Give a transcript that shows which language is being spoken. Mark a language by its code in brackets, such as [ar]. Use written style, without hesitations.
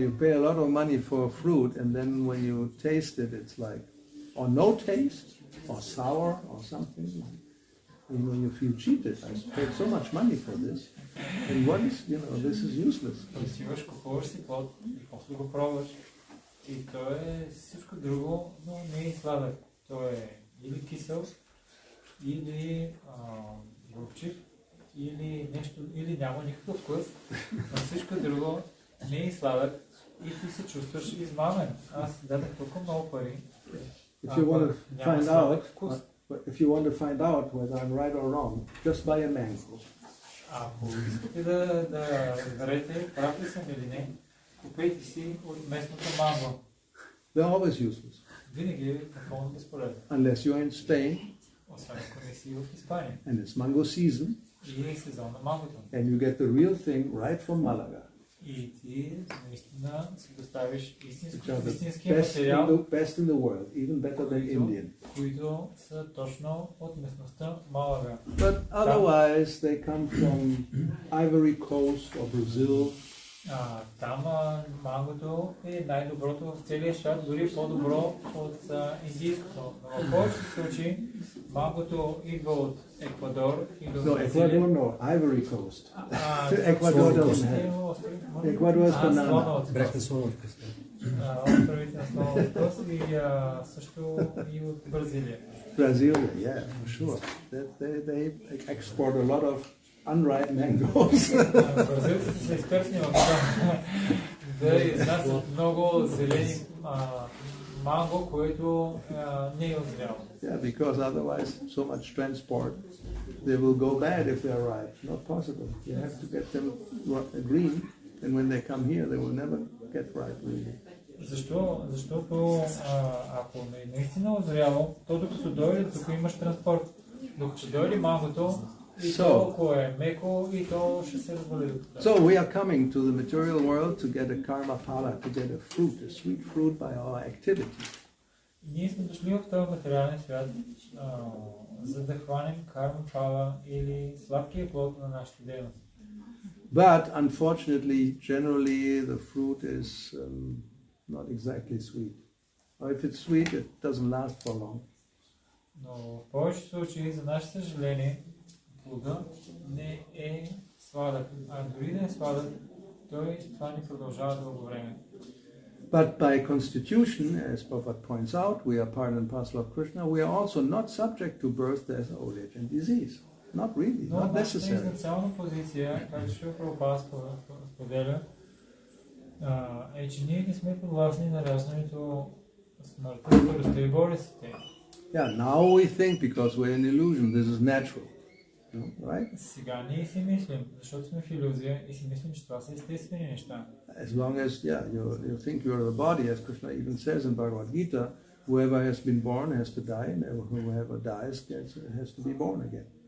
[en] you pay a lot of money for a fruit, and then when you taste it, it's like, or no taste, or sour, or something. You know, you feel cheated. I paid so much money for this. And what is, you know, this is useless. [bg] Отиваш, купуваш си плод и после го пробваш. И то е всичко друго, но не е сладък. То е или кисел, или горчив, или нещо, или няма никакъв вкус. Но всичко друго не е сладък и ти се чувстваш измамен. Аз дадах толкова много пари. [en] If you want to find out, if you want to find out whether I'm right or wrong, just buy a mango. [bg] Ако искате да верете, прав ли съм или не, купете си от местното манго. [en] They're always useless. [bg] Винаги е напълно безполезно. [en] Unless you're in Spain. [bg] Освен ако не си в Испания. [en] And it's mango season. [bg] И е сезон на мангото. [en] And you get the real thing right from Malaga. [bg] И ти наистина си доставиш истински материал, [en] best in the world, even better than Indian. [bg] Които са точно от местността Малага. [en] But otherwise they come from Ivory Coast or Brazil [bg] Там мангото е най-доброто в целия свят, дори по-добро от индийското. В повечето случаи мангото идва от Еквадор и до Бразилия. Еквадор, но Ivory Coast. Еквадор е от Еквадор е от Банана. Брехте слоновите. Островите на слоновите и също и от Бразилия. [en] Бразилия, yeah, for sure. They export a lot of unripe mangoes. [bg] Бразилците са експертни в това. Да изнасят много зелени манго, което не е озрял. [en] Yeah, because otherwise so much transport, they will go bad if they arrive. Not possible. You have to get them green, and when they come here, they will never get ripe, really. [bg] Защо? Защото ако не е наистина озряло, то докато дойде, тук имаш транспорт. Докато дойде мангото, и то, ако е меко, и то ще се разболи. [en] So we are coming to the material world to get a karma phala, to get a fruit, a sweet fruit by our activity. [bg] Ние сме дошли в този материален свят, за да хванем карма пала или сладкия плод на нашите дейности. [en] But unfortunately, generally the fruit is not exactly sweet. Or if it's sweet, it doesn't last for long. [bg] Но в повечето случаи, за наше съжаление, плода не е сладък. А дори да е сладък, това не продължава дълго време. [en] But by constitution, as Prabhupada points out, we are part and parcel of Krishna, we are also not subject to birth, death, old age and disease. Not really, not necessary. [bg] Но нашата изначална позиция, както ще Прабхупада споделя, е, че ние не сме подвластни на раждането, смъртта, старостта и болестите. [en] Yeah, now we think because we're an illusion, this is natural. Right? [bg] Сега ние си мислим, защото сме в иллюзия и си мислим, че това са естествени неща. [en] As long as you think you are the body, as Krishna even says in Bhagavad Gita, whoever has been born has to die, and whoever dies has to be born again.